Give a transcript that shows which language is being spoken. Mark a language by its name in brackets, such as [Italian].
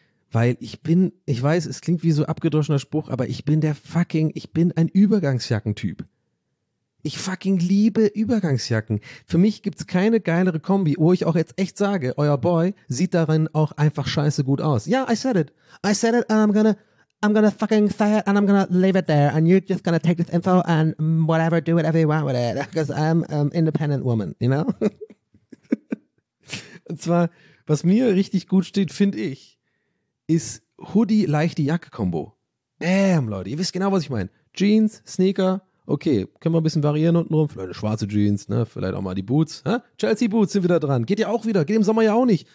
[German] Weil ich weiß, es klingt wie so abgedroschener Spruch, aber ich bin ein Übergangsjackentyp. Ich fucking liebe Übergangsjacken. Für mich gibt's keine geilere Kombi, wo ich auch jetzt echt sage, euer Boy sieht darin auch einfach scheiße gut aus. [English] Ja, yeah, I said it and I'm gonna fucking say it and I'm gonna leave it there and you're just gonna take this info and whatever, do whatever you want with it because I'm an independent woman, you know? [German] Und zwar, was mir richtig gut steht, finde ich, ist Hoodie-leichte-Jacke-Kombo. Bam, Leute, ihr wisst genau, was ich meine. Jeans, Sneaker, okay, können wir ein bisschen variieren untenrum, vielleicht eine schwarze Jeans, ne? Vielleicht auch mal die Boots. Hä? Chelsea Boots sind wieder dran, geht ja auch wieder, geht im Sommer ja auch nicht.